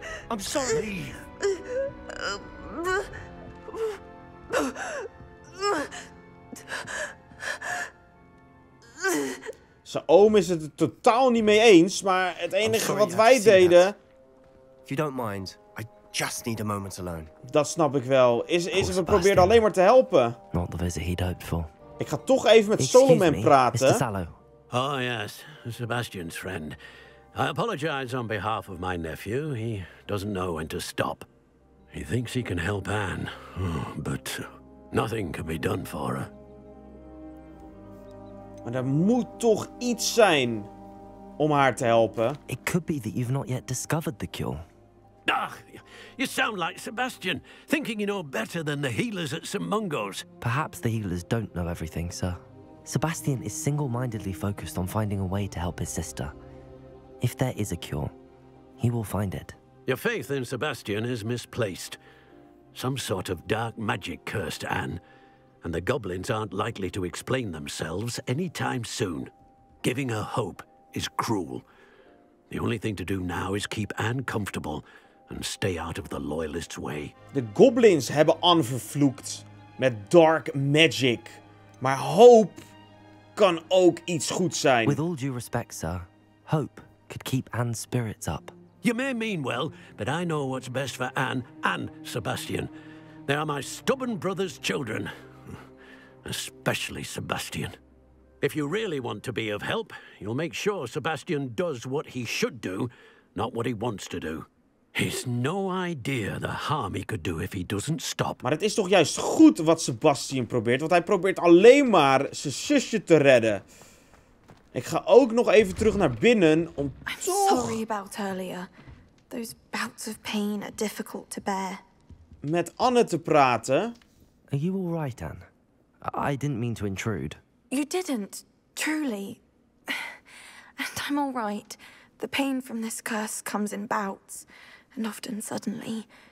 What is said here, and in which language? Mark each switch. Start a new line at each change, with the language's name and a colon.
English: I'm sorry.
Dutch: Zijn oom is het er totaal niet mee eens, maar het enige wat wij deden.
English: If you don't mind, I just need a moment alone.
Dutch: Dat snap ik wel. We probeerden alleen maar te helpen.
English: Not the visit he'd hoped for.
Dutch: Ik ga toch even met Solomon praten.
English: Oh, yes. Sebastian's friend. I apologize on behalf of my nephew. He doesn't know when to stop. He thinks he can help Anne, but nothing can be done for her.
Dutch: Maar er moet toch iets zijn om haar te helpen.
English: It could be that you've not yet discovered the cure. Ah, you sound like Sebastian, thinking you know better than the healers at St. Mungo's. Perhaps the healers don't know everything, sir. Sebastian is single-mindedly focused on finding a way to help his sister. If there is a cure, he will find it. Your faith in Sebastian is misplaced. Some sort of dark magic cursed Anne. and the goblins aren't likely to explain themselves anytime soon. Giving her hope is cruel. The only thing to do now is keep Anne comfortable and stay out of the loyalists' way.
Dutch: De goblins hebben Anne vervloekt met dark magic. Maar hoop kan ook iets goed zijn.
English: With all due respect, sir, hope could keep Anne's spirits up. You may mean well, but I know what's best for Anne and Sebastian. They are my stubborn brother's children. Especially Sebastian. If you really want to be of help, you'll make sure Sebastian does what he should do, not what he wants to do. He's no idea the harm he could do if he doesn't stop.
Dutch: Maar het is toch juist goed wat Sebastian probeert, want hij probeert alleen maar zijn zusje te redden. Ik ga ook nog even terug naar binnen om toch...
English: I'm sorry about earlier. Those bouts of pain are difficult to bear.
Dutch: Met Anne te praten.
English: Are you all right, Anne? I didn't mean to intrude. You didn't, truly. And I'm all right. The pain from this curse comes in bouts. And often suddenly.